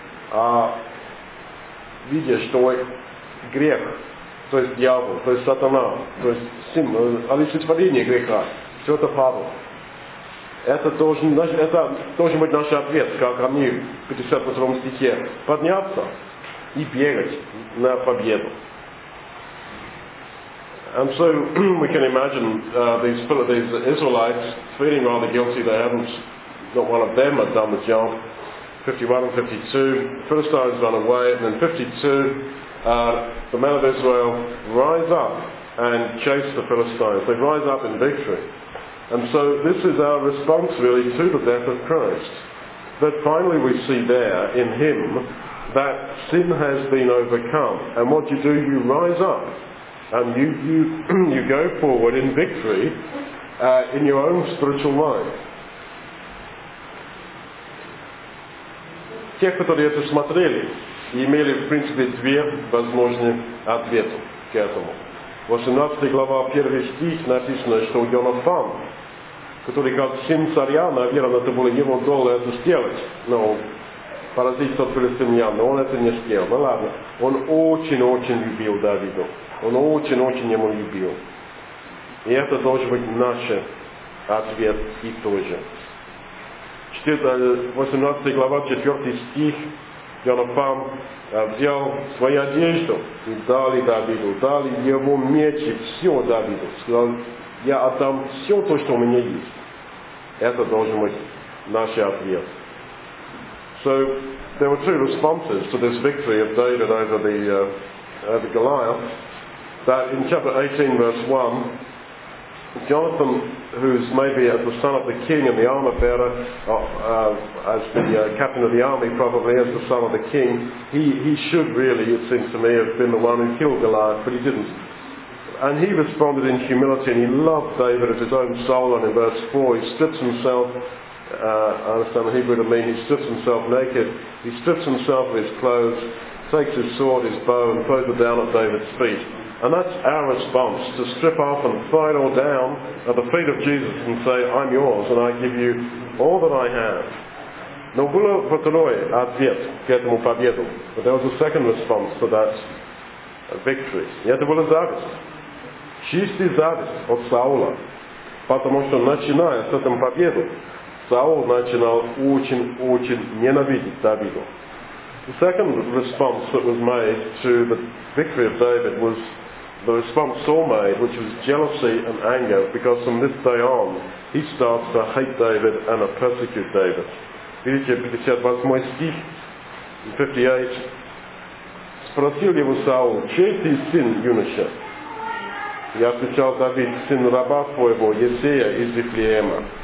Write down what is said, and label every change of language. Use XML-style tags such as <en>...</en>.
<ru>А видя, что грех, то есть дьявол, то есть сатана, то есть олицетворение греха, все это падло. Это должен быть наш ответ, как они в 52 стихе, подняться и бегать на победу.</ru> <en>And so we can imagine these Israelites feeling rather guilty that not one of them had done the job. 51 and 52, Philistines run away, and then 52, the men of Israel rise up and chase the Philistines. They rise up in victory. And so this is our response really to the death of Christ. But finally we see there in him that sin has been overcome. And what you do, you rise up. And you go forward in victory in your own spiritual life.</en> <ru>Те, которые это смотрели, имели, в принципе, две возможные ответы к этому. 18 глава, 1 стих написано, что Йонатан, который как сын царя, наверное, это было его долго это сделать, но поразить тот филистимлян, но он это не сделал. Ну ладно, он очень-очень любил Давида. Он очень-очень ему любил. И это должен быть наш ответ и тоже. 18 глава, 4 стих. Йонатан взял свою одежду и дали Давиду, дали его меч и все Давиду. Сказал, я отдам все то, что у меня есть. Это должен быть наш ответ.</ru> <en>So there were two responses to this victory of David over the Goliath. That in chapter 18, verse 1, Jonathan, who's maybe the son of the king and the armor bearer, as the captain of the army, probably as the son of the king, he should really, it seems to me, have been the one who killed Goliath, but he didn't. And he responded in humility, and he loved David as his own soul. And in verse 4, he strips himself. I understand the Hebrew to mean he strips himself naked. He strips himself of his clothes, takes his sword, his bow, and throws it down at David's feet. And that's our response, to strip off and throw down at the feet of Jesus and say, I'm yours and I give you all that I have.</en> <ru>Но было второй ответ к этому победу.</ru> <en>But there was a second response to that victory.</en> <ru>И это была зависть. Чистая зависть от Саула. Потому что начиная с этого победы, Саул начинал очень-очень ненавидеть Давида.</ru> <en>The second response that was made to the victory of David was the response Saul made, which was jealousy and anger, because from this day on, he starts to hate David and to persecute David.</en> <ru>Видите, 58 стих, 58, спросил его Саул, чей ты сын, юноша? Я отвечал, Давид, сын раба твоего, Есея из Вифлеема.</ru>